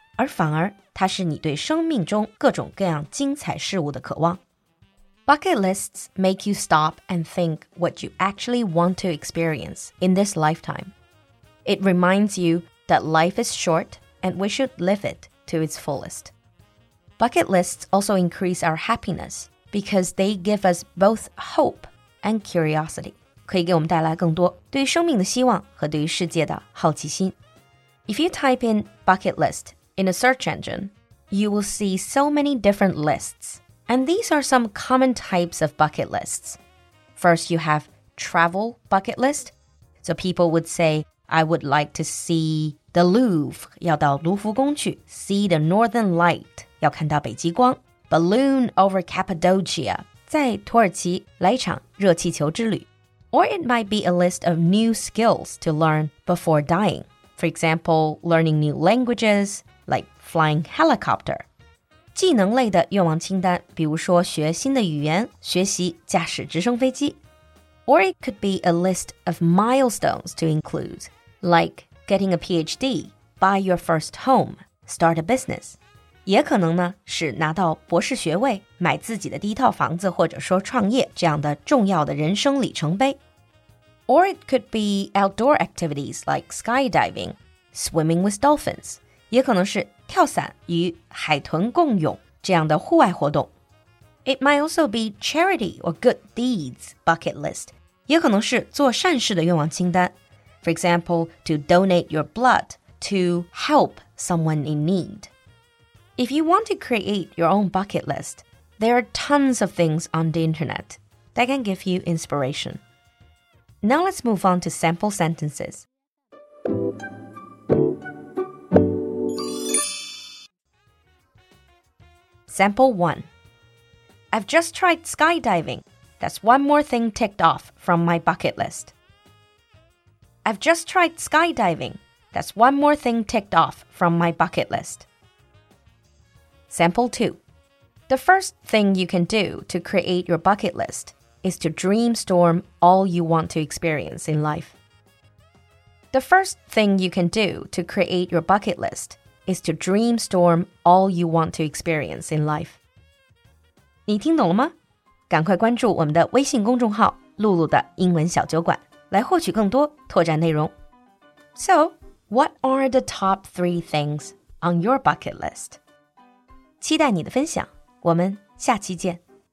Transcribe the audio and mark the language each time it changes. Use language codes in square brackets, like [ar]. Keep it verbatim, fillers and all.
[zh] 而反而，它是你对生命中各种各样精彩事物的渴望。 [en] Bucket lists make you stop and think what you actually want to experience in this lifetime. It reminds you that life is short and we should live it to its fullest. Bucket lists also increase our happiness because they give us both hope and curiosity [zh] 可以给我们带来更多对于生命的希望和对于世界的好奇心。 [en] If you type in bucket list in a search engine, you will see so many different lists. And these are some common types of bucket lists. First, you have travel bucket list. So people would say, I would like to see the Louvre, [zh] 要到卢浮宫去 [en] see the Northern Light, [zh] 要看到北极光 [en] balloon over Cappadocia, [zh] 在土耳其来一场热气球之旅 [en] Or it might be a list of new skills to learn before dying. For example, learning new languages, like flying helicopter. [zh] 技能类的愿望清单，比如说学新的语言，学习驾驶直升飞机。 [en] Or it could be a list of milestones to include, like getting a PhD, buy your first home, start a business. [zh] 也可能呢是拿到博士学位，买自己的第一套房子，或者说创业这样的重要的人生里程碑。 [en] Or it could be outdoor activities like skydiving, swimming with dolphins. [zh] 也可能是跳伞与海豚共泳这样的户外活动。 [en] It might also be charity or good deeds bucket list. [zh] 也可能是做善事的愿望清单。 [en] For example, to donate your blood to help someone in need. If you want to create your own bucket list, there are tons of things on the internet that can give you inspiration. Now let's move on to sample sentences. Sample one. I've just tried skydiving. That's one more thing ticked off from my bucket list. I've just tried skydiving. That's one more thing ticked off from my bucket list. Sample two. The first thing you can do to create your bucket list is to dreamstorm all you want to experience in life. The first thing you can do to create your bucket list is to dreamstorm all you want to experience in life. [zh] 你听懂了吗？赶快关注我们的微信公众号露露的英文小酒馆，来获取更多拓展内容。 [en] So, what are the top three things on your bucket list? [zh] 期待你的分享，我们下期见。